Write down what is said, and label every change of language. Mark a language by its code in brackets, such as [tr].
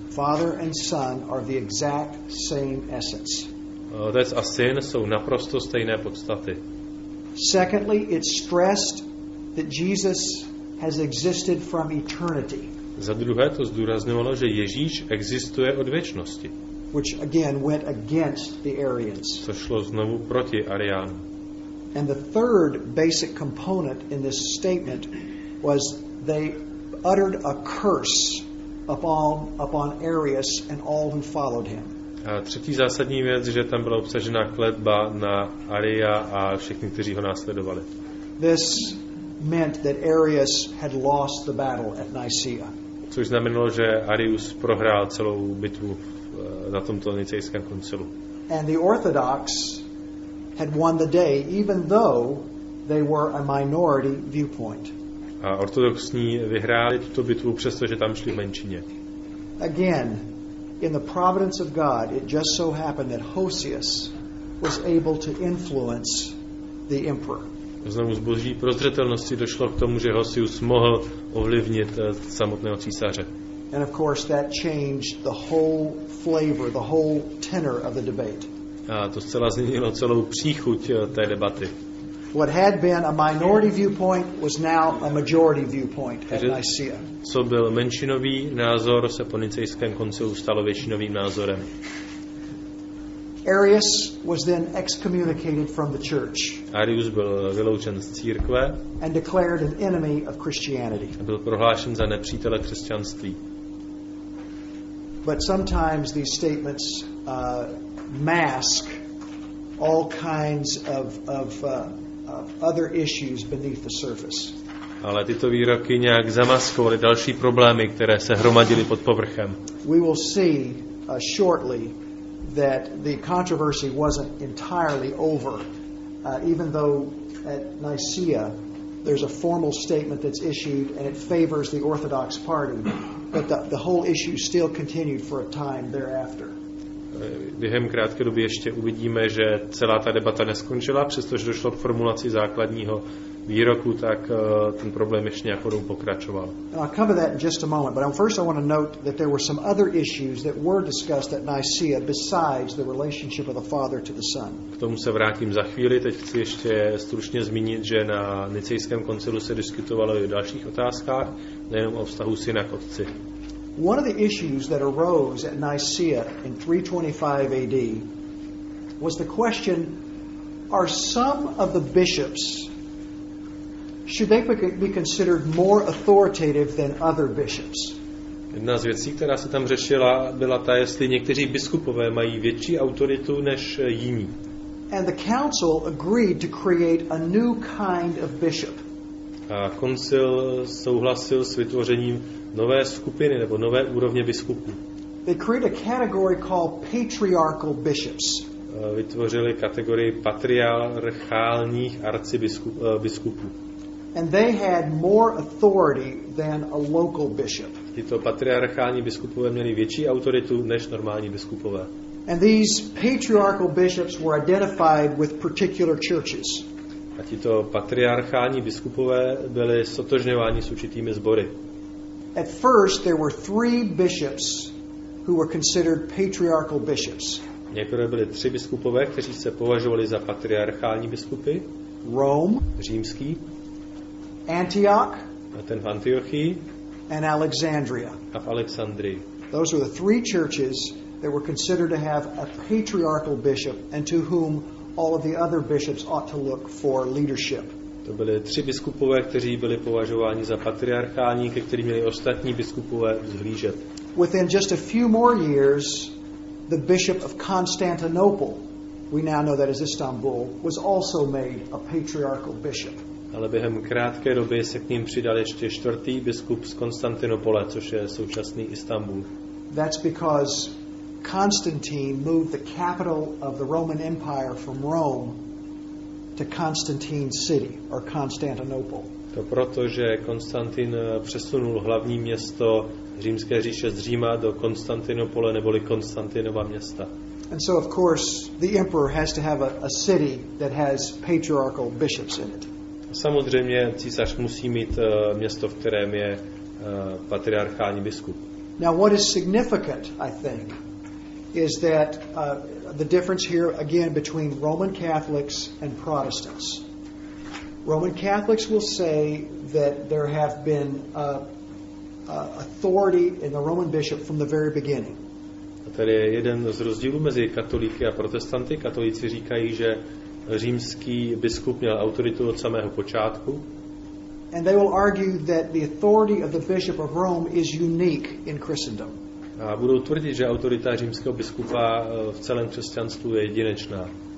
[en] Father and Son are the exact same essence. [cs] Otec a syn jsou naprosto stejné podstaty. [en] Secondly, it's stressed that Jesus has existed from eternity. [cs] Za druhé to zdůrazňovalo, že Ježíš existuje od věčnosti. [en] Which again went against the Arians. [cs] To šlo znovu proti Ariánům. [en] And the third basic component in this statement was they uttered a curse upon Arius and all who followed him. [cs] A třetí zásadní věc, že tam byla obsažena kletba na Aria a všichni, kteří ho následovali. [en] This meant that Arius had lost the battle at Nicaea. [cs] Což znamenalo, že Arius prohrál celou bitvu na tomto nicejském koncilu. [en] And the Orthodox had won the day, even though they were a minority viewpoint. [cs] A ortodoxní vyhráli tuto bitvu, přestože tam šli v menšině. [en] Again, in the providence of God, it just so happened that Hosius was able to influence the emperor. [cs] Znovu z boží prozřetelnosti došlo k tomu, že Hosius mohl ovlivnit samotného císaře. [en] And of course that changed the whole flavor, the whole tenor of the debate. [cs] A to zcela změnilo celou příchuť té debaty. [en] What had been a minority viewpoint was now a majority viewpoint at Nicaea. [cs] Co byl menšinový názor, se po nicejském koncilu stalo většinovým názorem. [en] Arius was then excommunicated from the church. [cs] Arius byl vyloučen z církve. [en] And declared an enemy of Christianity. [cs] A byl prohlášen za nepřítele křesťanství. [en] But sometimes these statements mask all kinds of other issues beneath the surface. [cs] Ale tyto výroky nějak zamaskovaly další problémy, které se hromadily pod povrchem. [en] We will see shortly that the controversy wasn't entirely over, even though at Nicaea there's a formal statement that's issued and it favors the Orthodox party, but the whole issue still continued for a time thereafter. [cs] Během krátké doby ještě uvidíme, že celá ta debata neskončila, přestože došlo k formulaci základního výroku, tak ten problém ještě nějakou dobu pokračoval. [en] I'll cover that in just a moment, but first I want to note that there were some other issues that were discussed at Nicaea besides the relationship of the Father to the Son. [cs] K tomu se vrátím za chvíli, teď chci ještě stručně zmínit, že na nicejském koncilu se diskutovalo i o dalších otázkách, nejenom o vztahu syna k otci. [en] One of the issues that arose at Nicaea in 325 AD was the question, are some of the bishops, should they be considered more authoritative than other bishops? [cs] Jedna z věcí, která se tam řešila, byla ta, jestli někteří biskupové mají větší autoritu než jiní. [en] And the council agreed to create a new kind of bishop. [cs] A koncil souhlasil s vytvořením nové skupiny nebo nové úrovně biskupů. [en] They create a category called patriarchal bishops. [cs] Vytvořili kategorii patriarchálních arcibiskupů. [en] And they had more authority than a local bishop. [cs] Tito patriarchální biskupové měli větší autoritu než normální biskupové. [en] And these patriarchal bishops were identified with particular churches. [cs] A tito patriarchální biskupové byli sotožňováni s určitými sbory. [en] At first there were three bishops who were considered patriarchal bishops. [cs] Nejprve byli tři biskupové, kteří se považovali za patriarchální biskupy. [en] Rome, [cs] římský. [en] Antioch, [cs] a ten v Antiochii. [en] And Alexandria. [cs] A v Alexandrii. [en] Those were the three churches that were considered to have a patriarchal bishop and to whom all of the other bishops ought to look for leadership. [cs] To byly tři biskupové, kteří byli považováni za patriarchální, ke kterým měli ostatní biskupové vzhlížet. [en] Within just a few more years, the bishop of Constantinople, we now know that as Istanbul, was also made a patriarchal bishop. [cs] Ale během krátké doby se k ním přidal ještě čtvrtý biskup z Konstantinopole, což je současný Istanbul. [en] That's because Constantine moved the capital of the Roman Empire from Rome to Constantine's city or Constantinople. [cs] To proto, že Konstantin přesunul hlavní město Římské říše z Říma do Konstantinopole neboli Konstantinova města. [en] And so of course the emperor has to have a city that has patriarchal bishops in it. [cs] Samozřejmě císař musí mít město, v kterém je patriarchální biskup. [en] Now what is significant, I think, is that the difference here again between Roman Catholics and Protestants. Roman Catholics will say that there have been authority in the Roman bishop from the very beginning. [cs] A tady je jeden z rozdílů mezi katolíky a protestanty. Katolíci říkají, že římský biskup měl autoritu od samého počátku. [en] And they will argue that the authority of the bishop of Rome is unique in Christendom. [cs] A budou tvrdit, že autorita římského biskupa v celém křesťanství je jedinečná.